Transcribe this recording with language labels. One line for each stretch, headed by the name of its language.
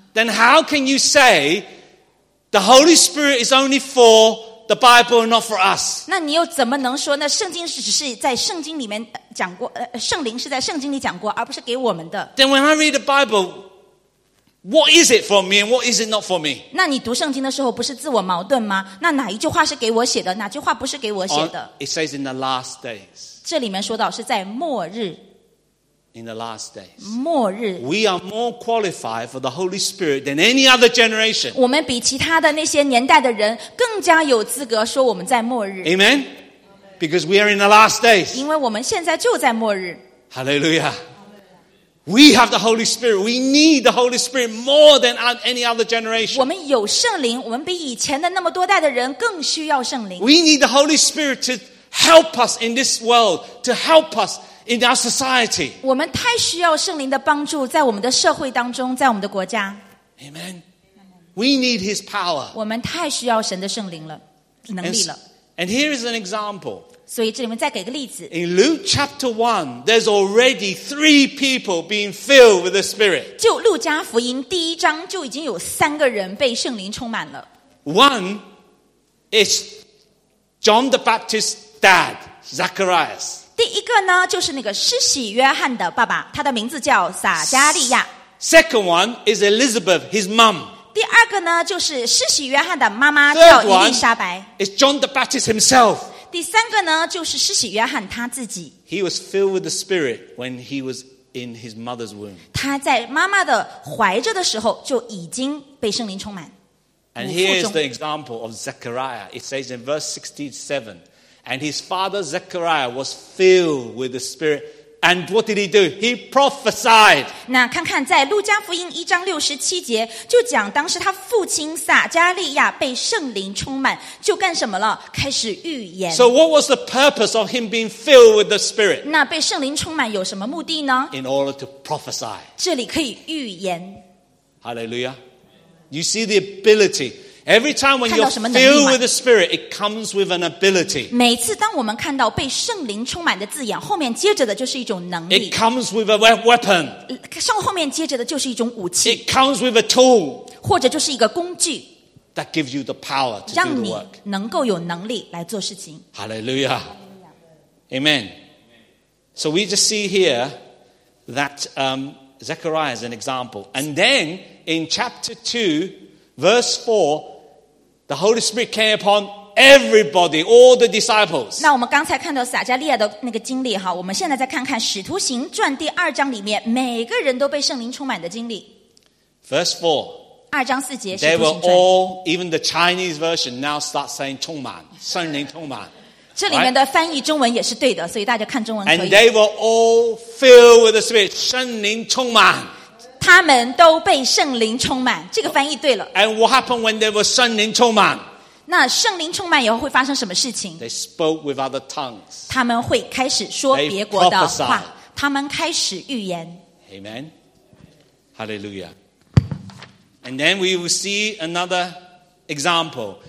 English: Then how can you say the Holy Spirit is only for the Bible and not for us?
Chinese: 那你又怎么能说呢？圣经是只是在圣经里面讲过，圣灵是在圣经里讲过，而不是给我们的。
English: Then when I read the Bible, What is it for me and what is it not for me?
Chinese: 那你读圣经的时候不是自我矛盾吗？那哪一句话是给我写的？哪句话不是给我写的？
English: It says in the last days.
Chinese: 这里面说到是在末日。
English: In the last days.
Chinese: 末日。
English: We are more qualified for the Holy Spirit than any other generation.
Chinese: 我们比其他的那些年代的人更加有资格说我们在末日。
English: Amen? Because we are in the last days.
Chinese: 因为我们现在就在末日。
English: Hallelujah. We have the Holy Spirit. We need the Holy Spirit more than any other generation.
Chinese: 我们有圣灵，我们比以前的那么多代的人更需要圣灵。
English: We need the Holy Spirit to help us in this world, to help us in our society.
Chinese: 我们太需要圣灵的帮助，在我们的社会当中，在我们的国家。
English: Amen. We need His power.
Chinese: 我们太需要神的圣灵了，能力了。
English: And here is an example.
Chinese: 所以这里面再给个例子。
English: In Luke chapter 1, there's already three people being filled with the Spirit.
Chinese: 就路加福音第一章就已经有三个人被圣灵充满了。
English: One is John the Baptist's dad, Zacharias.
Chinese: 第一个呢就是那个施洗约翰的爸爸，他的名字叫撒加利亚。
English: Second one is Elizabeth, his mom.
Chinese: 第二个呢就是施洗约翰的妈妈叫伊丽莎白。
English: Third one is John the Baptist himself.
Chinese: 第三个呢就是施洗约翰他自己。
English: He was filled with the Spirit when he was in his mother's womb.
Chinese: 他在妈妈的怀着的时候就已经被圣灵充满。
English: And here's the example of Zechariah. It says in verse 67, and his father Zechariah was filled with the Spirit. And what did he do? He prophesied.
Chinese: 那看看在路加福音一章六十七节就讲当时他父亲撒加利亚被圣灵充满就干什么了开始预言。
English: So what was the purpose of him being filled with the Spirit?
Chinese: 那被圣灵充满有什么目的呢?
English: In order to prophesy.
Chinese: 这里可以预言。
English: Hallelujah. You see the ability. Every time when you're filled with the Spirit, it comes with an ability.
Chinese: 每次当我们看到被圣灵充满的字眼，后面接着的就是一种能力。
English: It comes with a weapon.
Chinese: 上后面接着的就是一种武器。
English: It comes with a tool.
Chinese: 或者就是一个工具。
English: That gives you the power to do the work.
Chinese: 让你能够有能力来做事情。
English: Hallelujah. Amen. So we just see here that Zechariah is an example. And then in chapter 2,Verse 4, the Holy Spirit came upon everybody, all the disciples.
Chinese: 那我们刚才看到撒加利亚的那个经历哈，我们现在再看看《使徒行传》第二章里面每个人都被圣灵充满的经历。
English: Verse 4,
Chinese: 二章四节，《 使徒行传》。
English: They were all, even the Chinese version now starts saying
Chinese: 充满，圣灵充满。这里面的翻译中文也是对的，所以大家看中文可以。
English: And they were all filled with the Spirit,
Chinese: 圣灵充满。他们都被圣灵充满，这个翻译对了。
English: And what happened when they were
Chinese: 圣灵充满？那圣灵充满以后会发生什么事情
English: ？They spoke with other tongues.
Chinese: 他们会开始说别国的话。
English: They prophesied.
Chinese: 他们开始预言。
English: Amen. Hallelujah. And then we will see another example.